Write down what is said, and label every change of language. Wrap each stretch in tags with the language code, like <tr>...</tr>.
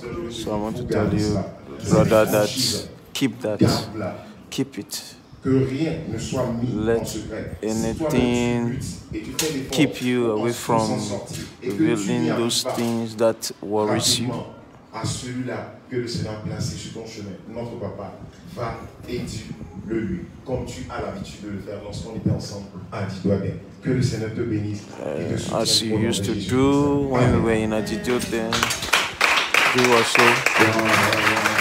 <en>So I want to tell you, brother, that keep that, keep it.</en> <fr>Que rien ne soit mis</fr> <en>Let</en> <fr>en</fr> <en>anything keep you away from revealing those things that worries you.</en> <fr>À celui-là que le Seigneur a placé sur ton chemin, notre papa, va et le lui, comme tu as l'habitude de le faire lorsqu'on était ensemble à Didouane. Que le Seigneur te bénisse.</fr> <en>As you used to do when we were in Adidjoué, do also.</en>